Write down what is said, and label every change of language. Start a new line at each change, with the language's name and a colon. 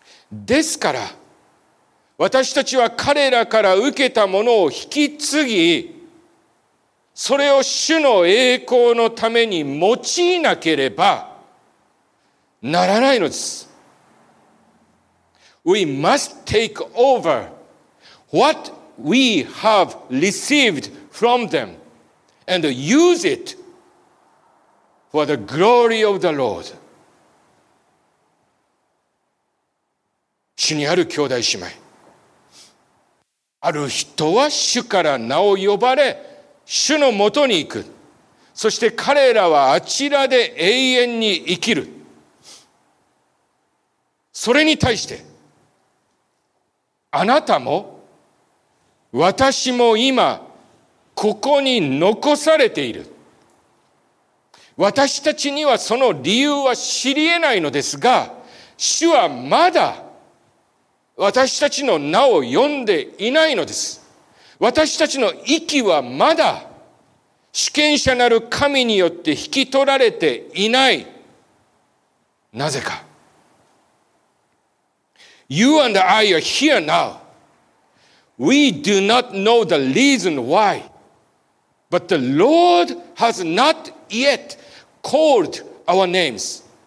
Japanese: ですから私たちは彼らから受けたものを引き継ぎ、それを主の栄光のために用いなければならないのです。
English: We must take over what we have recedfrom them and use it for the glory of the Lord。
Japanese: 主にある兄弟姉妹、ある人は主から名を呼ばれ主のもとに行く、そして彼らはあちらで永遠に生きる。それに対してあなたも私も今ここに残されている。私たちにはその理由は知り得ないのですが、主はまだ私たちの名を呼んでいないのです。私たちの息はまだ主権者なる神によって引き取られていない。なぜか
English: You and I are here now. We do not know the reason whyBut the Lord has not yet called our names.